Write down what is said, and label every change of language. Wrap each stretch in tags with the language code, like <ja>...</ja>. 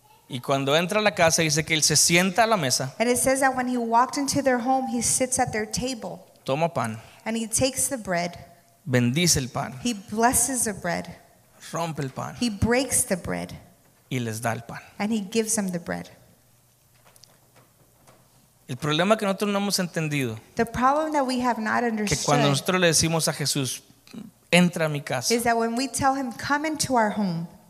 <es>Y cuando entra a la casa dice que él se sienta a la mesa.</es> <en>And it says that when he walked into their home, he sits at their table.</en> <es>Toma pan.</es> <en>And he takes the bread.</en> <es>Bendice el pan.</es> <en>He blesses the bread.</en> <es>Rompe el pan.</es> <en>He breaks the bread.</en> <es>Y les da el pan.</es> <en>And he gives them the bread.</en> <es>El problema que nosotros no hemos entendido.</es> <en>The problem that we have not understood.</en> <es>Que cuando nosotros le decimos a Jesús, entra a mi casa.</es> <en>Is that when we tell him, come into our home.</en>